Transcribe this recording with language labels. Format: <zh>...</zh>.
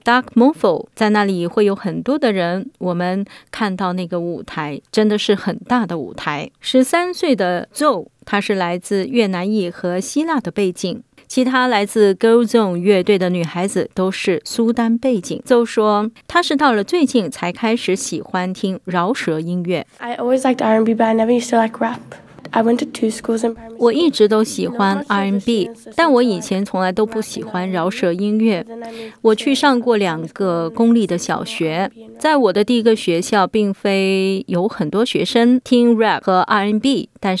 <zh>Dark Morpho 在那里会有很多的人，我们看到那个舞台真的是很大的舞台。 13岁的 Zoe， 他是来自越南裔和希腊的背景。其他来自 Girl Zone 乐队的女孩子都是苏丹背景。邹说，她是到了最近才开始喜欢听饶舌音乐。</zh> <en>I always liked R&B, but I never used to like rap. I went to two schools in primary.</en> <zh>我一直都喜欢 R&B， 但我以前从来都不喜欢饶舌音乐。我去上过2个公立的小学，在我的第一个学校，并非有很多学生听 rap 和 R&B。</zh>